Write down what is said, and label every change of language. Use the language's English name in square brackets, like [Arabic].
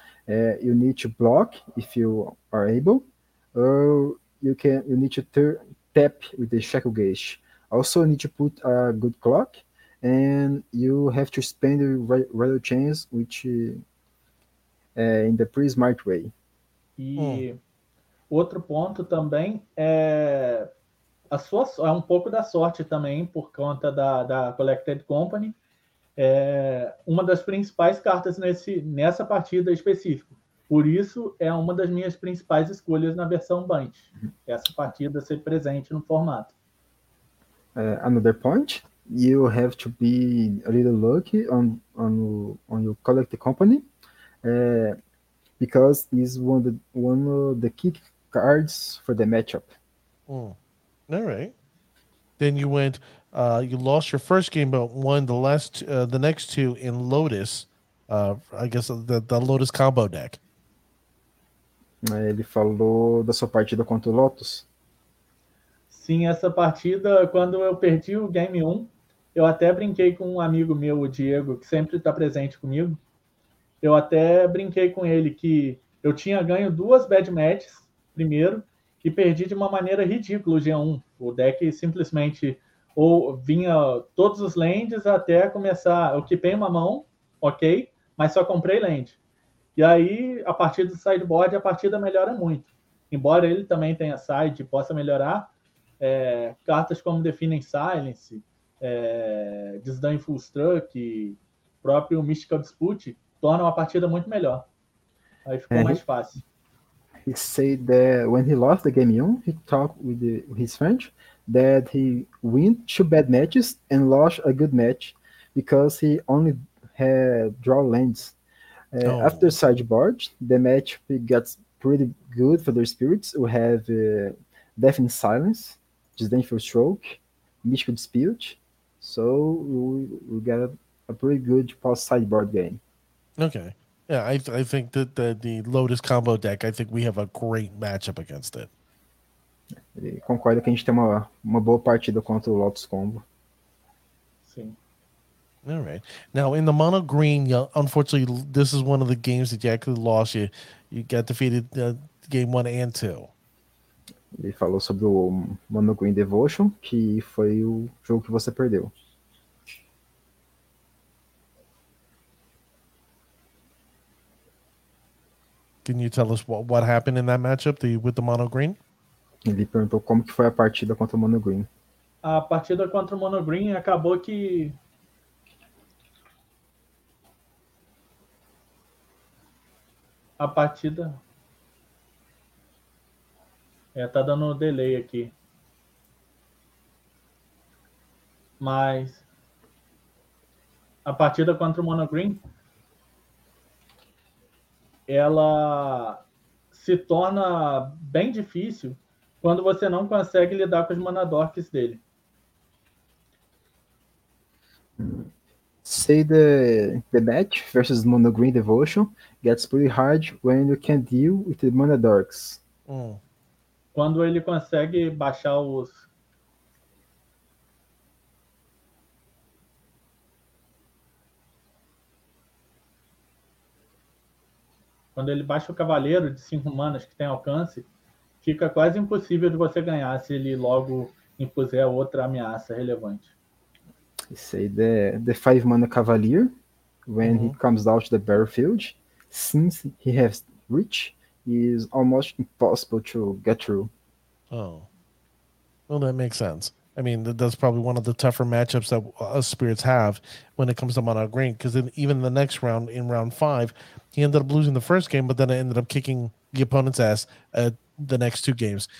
[English] You need to block if you are able, or you need to tap with the Shackle Geist. Also need to put a good clock, and you have to spend the Rattle Chains, which in the pretty smart way. [Portuguese] E outro ponto também é a sua, é um pouco da sorte também, por conta da Collected Company, uma das principais cartas nessa partida específica. Por isso, é uma das minhas principais escolhas na versão Bunch, essa partida ser presente no formato. [English] Another point, you have to be a little lucky on your Collected Company, because it's one of the key cards for the matchup. All right. Then you went, you lost your first game, but won the next two in Lotus, I guess the Lotus combo deck. [Portuguese] Ele falou da sua partida contra o Lotus. Sim, essa partida, quando eu perdi o game 1, eu até brinquei com um amigo meu, o Diego, que sempre está presente comigo. Eu até brinquei com ele que eu tinha ganho duas bad matches, primeiro, e perdi de uma maneira ridícula o G1. O deck simplesmente ou vinha todos os lands até começar. Eu equipei uma mão, ok, mas só comprei land. E aí, a partir do sideboard, a partida melhora muito. Embora ele também tenha side e possa melhorar, cartas como Defining Silence, Disdainful Strike, próprio Mystical Dispute, tornam a partida muito melhor. Aí ficou mais fácil. [English] He said that when he lost the game 1, he talked with his friend that he win 2 bad matches and lost a good match because he only had draw lands. After sideboard, the match gets pretty good for their spirits. We have Death in Silence, Disdainful Stroke, Mystical Dispute. So we got a pretty good post-sideboard game. Okay. Yeah, I think that the Lotus combo deck, I think we have a great matchup against it. [Portuguese] Ele concorda que a gente tem uma boa partida contra o Lotus combo. Sim. [English] All right. Now, in the mono green, unfortunately, this is one of the games that you actually lost. You got defeated game 1 and 2. [Portuguese] Ele falou sobre o mono green devotion, que foi o jogo que você perdeu. [English] Can you tell us what happened in that matchup with the mono green? [Portuguese] Ele perguntou como que foi a partida contra o mono green. A partida contra o mono green acabou que a partida tá dando delay aqui. Mas a partida contra o mono green, ela se torna bem difícil quando você não consegue lidar com os mana dorks dele. [English] Say the match versus mono green devotion gets pretty hard when you can't deal with the mana dorks. [Portuguese] Quando ele consegue baixar os quando ele baixa o cavaleiro de 5 manas que tem alcance, fica quase impossível de você ganhar se ele logo impuser outra ameaça relevante. Isso aí, [English] the five mana cavalier, when he comes out the battlefield, since he has reach, is almost impossible to get through. Oh. Well, that makes sense. I mean, that's probably one of the tougher matchups that us spirits have when it comes to mono green, because even the next round, in round five, he ended up losing the first game, but then it ended up kicking the opponent's ass the next two games.